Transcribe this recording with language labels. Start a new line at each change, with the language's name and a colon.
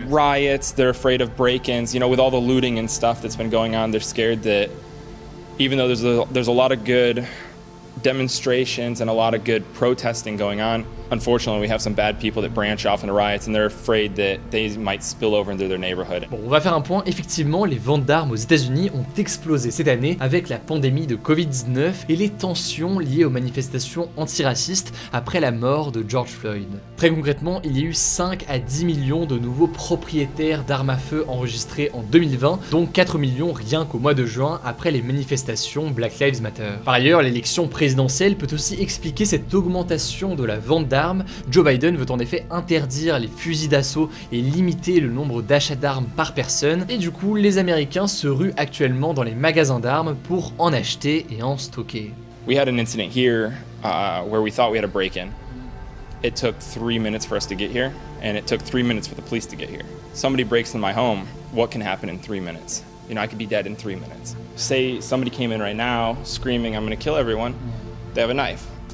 English: riots, they're afraid of break-ins, you know, with all the looting and stuff that's been going on, they're scared that even though there's a lot of good demonstrations and a lot of good protesting going on. Unfortunately, we have some bad people that branch off into riots and they're afraid that they might spill over into their neighborhood.
French: Bon, on va faire un point. Effectivement, les ventes d'armes aux États-Unis ont explosé cette année avec la pandémie de Covid-19 et les tensions liées aux manifestations antiracistes après la mort de George Floyd. Très concrètement, il y a eu 5 à 10 millions de nouveaux propriétaires d'armes à feu enregistrés en 2020, dont 4 millions rien qu'au mois de juin après les manifestations Black Lives Matter. Par ailleurs, l'élection présidentielle peut aussi expliquer cette augmentation de la vente d'armes. Joe Biden veut en effet interdire les fusils d'assaut et limiter le nombre d'achats d'armes par personne, et du coup, les Américains se ruent actuellement dans les magasins d'armes pour en acheter et en stocker.
English: We had an incident here where we thought we had a break-in. It took 3 minutes for us to get here, and it took 3 minutes for the police to get here. Somebody breaks into my home, what can happen in 3 minutes? You know, I could be dead in 3 minutes. Say somebody came in right now screaming, I'm gonna kill everyone, they have a knife.